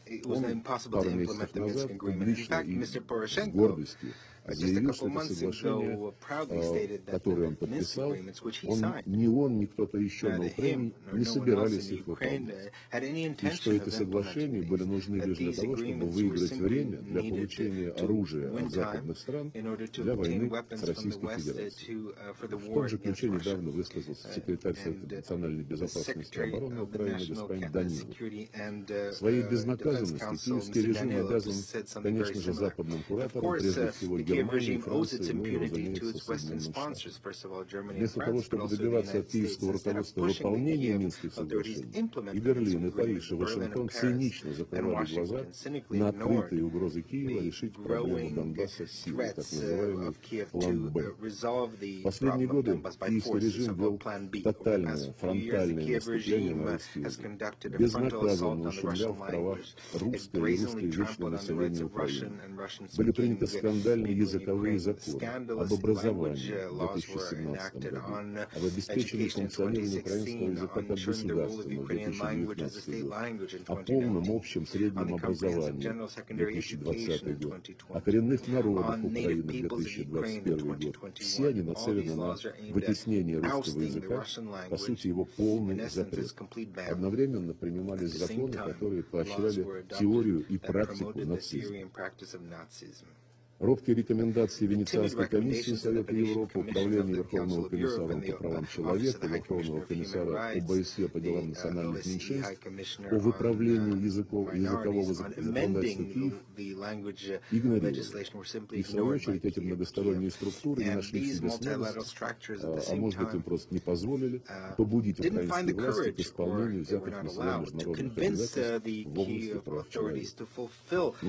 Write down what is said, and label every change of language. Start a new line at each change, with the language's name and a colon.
Russian: Он пару месяцев назад публично и с гордостью заявил, что это соглашение, которое он подписал, ни кто-то еще на Украине не собирались их выполнять. И что эти соглашения были нужны лишь для того, чтобы выиграть время для получения оружия от западных стран для войны с Российской Федерацией. В том же ключе недавно высказался секретарь Совета национальной безопасности и обороны Украины господин Данилов. Своей безнаказанности киевский режим обязан, конечно же, западным кураторам, прежде всего,
English: Kiev regime owes its impunity to its Western sponsors, first of all, Germany and France, but also the United States, that are pushing the Kiev authorities implement Berlin and Paris, Washington and Paris, and Washington cynically ignored the growing threats of Kiev to resolve the problem of Donbass by force, the so-called Plan B. Over the past few years, the Kiev regime has conducted a frontal assault on the Russian language. It brazenly trampled on the rights of Russian and Russian speaking citizens in Ukraine. Scandalous language laws were enacted on education in 2016, on gender rules of Ukrainian language as a state language in 2019, on the comprehensive general secondary education in 2020, on native peoples of Ukraine in 2021. All these laws are aimed at ousting the Russian language, in essence, its complete ban. At the same time, laws were adopted that promoted the theory and practice of Nazism.
Russian: Робкие рекомендации Венецианской комиссии Совета Европы, Управления Верховного комиссара по правам человека, Верховного комиссара ОБСЕ по делам национальных меньшинств, о выправлении языкового законодательства Киева, игнорировали. И в свою очередь эти многосторонние структуры не нашли в себе смелость, а может быть им просто не позволили побудить украинские власти к исполнению взятых на себя международных обязательств в области прав человека.